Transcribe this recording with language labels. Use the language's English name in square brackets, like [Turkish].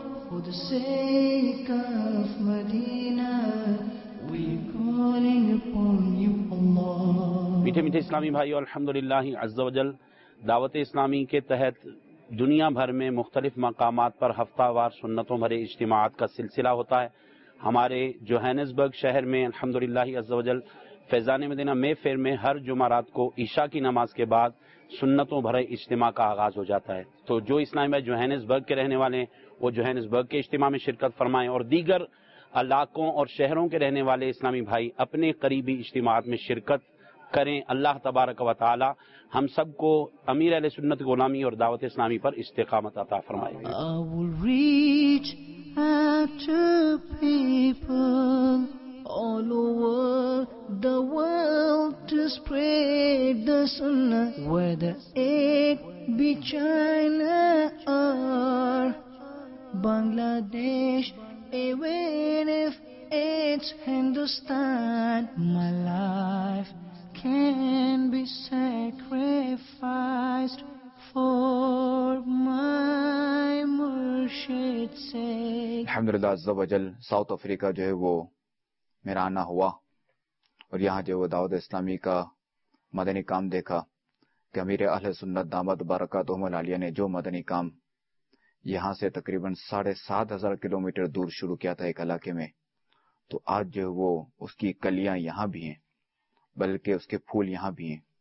[English] For the sake of Medina, we are calling upon you, Allah. [Urdu] میٹھے میٹھے اسلامی بھائیو, الحمدللہ عز و جل دعوت اسلامی کے تحت دنیا بھر میں مختلف مقامات پر ہفتہ وار سنتوں بھرے اجتماعات کا سلسلہ ہوتا ہے. ہمارے جوہانسبرگ شہر میں الحمدللہ عز و جل فیضان مدینہ مے فیر میں ہر جمعرات کو عشاء کی نماز کے بعد سنتوں بھرے اجتماع کا آغاز ہو جاتا ہے. تو جو اسلامی بھائی جوہانسبرگ کے رہنے والے ہیں وہ جوہانسبرگ کے اجتماع میں شرکت فرمائیں, اور دیگر علاقوں اور شہروں کے رہنے والے اسلامی بھائی اپنے قریبی اجتماعات میں شرکت کریں. اللہ تبارک و تعالی ہم سب کو امیر اہل سنت غلامی اور دعوت اسلامی پر استقامت عطا فرمائے. [English] I will reach out to people all over the world to spread the sunnah, whether it be China or Bangladesh, even if it's Hindustan, my life can be sacrificed for my murshid's sake. [Urdu] الحمدللہ عز و جل South Africa جو ہے وہ میرا آنا ہوا, اور یہاں جو دعوت اسلامی کا مدنی کام دیکھا کہ امیر اہل سنت دامت برکاتہم العالیہ نے جو مدنی کام یہاں سے تقریباً 7,500 کلومیٹر دور شروع کیا تھا ایک علاقے میں, تو آج جو ہے وہ اس کی کلیاں یہاں بھی ہیں, بلکہ اس کے پھول یہاں بھی ہیں.